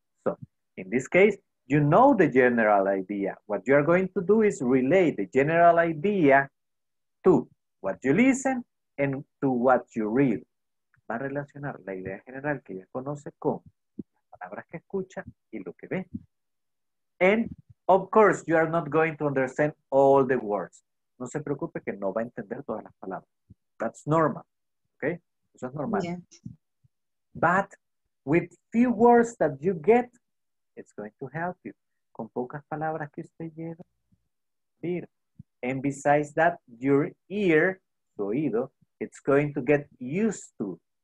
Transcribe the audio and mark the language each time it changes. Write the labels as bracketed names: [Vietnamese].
[English] So, in this case, you know the general idea. What you are going to do is relate the general idea to what you listen and to what you read. [Spanish] Va a relacionar la idea general que ya conoce con las palabras que escucha y lo que ve. [English] And, of course, you are not going to understand all the words. [Spanish] No se preocupe que no va a entender todas las palabras. [English] That's normal. Okay? [Spanish] Eso es normal. [English] Yeah. But with few words that you get, it's going to help you. [Spanish] Con pocas palabras que usted lleva. [English] And besides that, your ear, [Spanish] tu oído, [English] it's going to get used to.